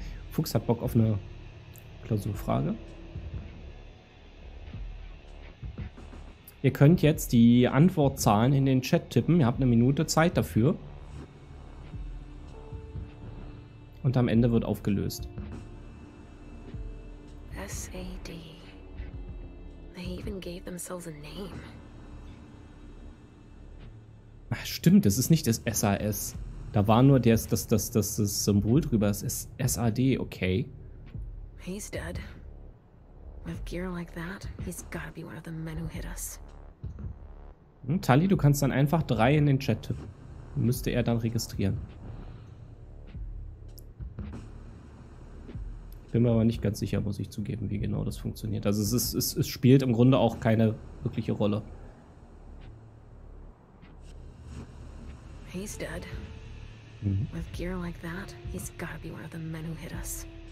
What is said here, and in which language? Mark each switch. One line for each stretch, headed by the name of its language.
German: Fuchs hat Bock auf eine Klausurfrage. Ihr könnt jetzt die Antwortzahlen in den Chat tippen. Ihr habt eine Minute Zeit dafür. Und am Ende wird aufgelöst. S.A.D.
English: They even gave themselves a name.
German: Ach, stimmt, das ist nicht das SAS. Da war nur das Symbol drüber. Es ist S.A.D., okay.
English: He's dead. With gear like that, he's gotta be one of the men who hit us.
German: Und Tali, du kannst dann einfach 3 in den Chat tippen. Müsste er dann registrieren. Bin mir aber nicht ganz sicher, muss ich zugeben, wie genau das funktioniert. Also es spielt im Grunde auch keine wirkliche Rolle.
English: He's dead. With gear like that, he's gotta be one of the men who hit us.